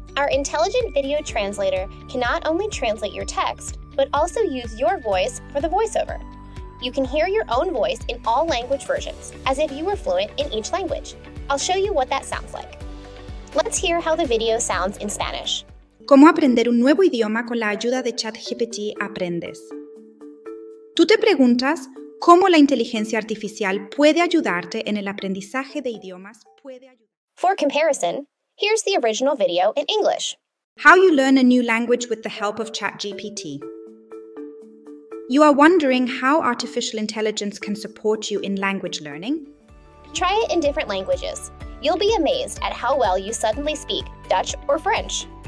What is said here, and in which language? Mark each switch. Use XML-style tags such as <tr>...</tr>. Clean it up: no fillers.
<en>Our intelligent video translator can not only translate your text, but also use your voice for the voiceover. You can hear your own voice in all language versions, as if you were fluent in each language. I'll show you what that sounds like. Let's hear how the video sounds in Spanish.</en> <es>¿Cómo aprender un nuevo idioma con la ayuda de ChatGPT aprendes? ¿Tú te preguntas cómo la inteligencia artificial puede ayudarte en el aprendizaje de idiomas?</es> <en>For comparison, here's the original video in English. How you learn a new language with the help of ChatGPT. You are wondering how artificial intelligence can support you in language learning? Try it in different languages. You'll be amazed at how well you suddenly speak Dutch or French.</en>